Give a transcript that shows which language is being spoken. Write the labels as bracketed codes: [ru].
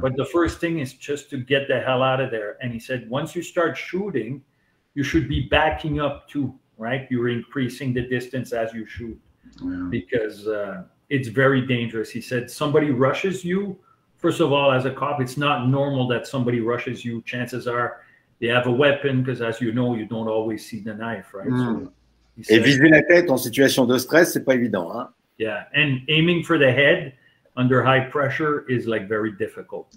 [en] But the first thing is just to get the hell out of there. And he said, once you start shooting, you should be backing up too. Right, you're increasing the distance as you shoot, because it's very dangerous. He said, somebody rushes you. First of all, as a cop, it's not normal that somebody rushes you. Chances are they have a weapon, because as you know, you don't always see the knife, right? So, he said, [fr] et viser la tête en situation de stress, c'est pas évident, hein? [en] Yeah, and aiming for the head under high pressure is like very difficult.